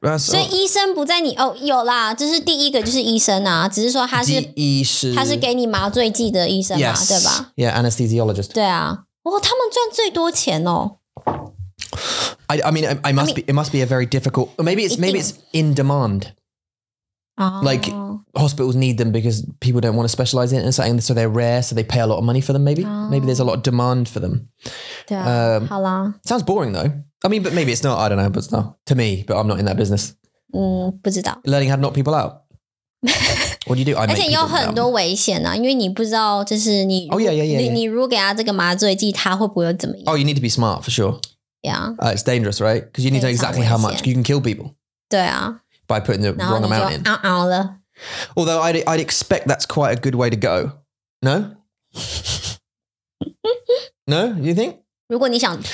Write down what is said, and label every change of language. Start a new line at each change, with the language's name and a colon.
Chinese: 所以醫生不在你 有啦 這是第一個就是醫生啊 只是說他是 他是給你麻醉劑的醫生嘛
English: yes.
Chinese: 對吧
English: Yeah, anesthesiologist
Chinese: 對啊 哇,他們賺最多錢喔
English: I mean, it must be a very difficult Maybe it's in demand Like hospitals need them because people don't want to specialize in something, so they're rare, so they pay a lot of money for them, maybe. Maybe there's a lot of demand for them.
Chinese: 对啊,好啦。
English: Sounds boring though. I mean, but maybe it's not, I don't know, but it's not. To me, but I'm not in that business.
Chinese: 嗯,不知道。
English: Learning how to knock people out. What do you do? I make people
Chinese: 而且有很多危险啊,因为你不知道就是你如果给他这个麻醉剂,他会不会怎么样。
English: Oh, you need to be smart, for sure. Yeah. It's dangerous, right? Because you need to know exactly how much. You can kill people.
Chinese: 对啊。By
English: putting the wrong amount in.
Chinese: 然后你就嗷嗷了。
English: Although I'd expect that's quite a good way to go. No? No, you think?
Chinese: 如果你想